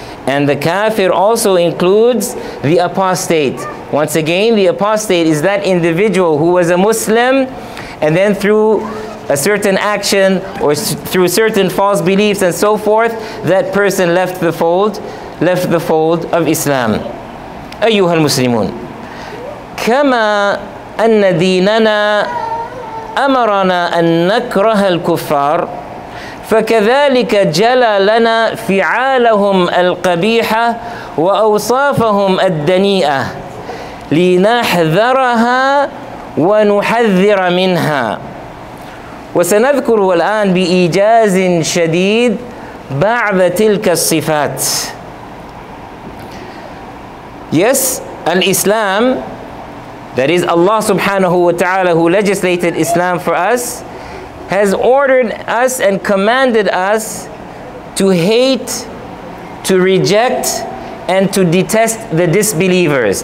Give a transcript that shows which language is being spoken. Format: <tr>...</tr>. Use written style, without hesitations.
<en>And the kafir also includes the apostate. Once again, the apostate is that individual who was a Muslim, and then through a certain action or through certain false beliefs and so forth, that person left the fold of Islam.</en> <ar>أيها المسلمون كما أن ديننا أمرنا أن نكره الكفار فكذلك جلى لنا فعالهم القبيحة وأوصافهم الدنيئة لنحذرها ونحذر منها. وسنذكر الآن بإيجاز شديد بعض تلك الصفات.</ar> <en>Yes, Islam, that is Allah subhanahu wa ta'ala who legislated Islam for us, has ordered us and commanded us to hate, to reject, and to detest the disbelievers.</en>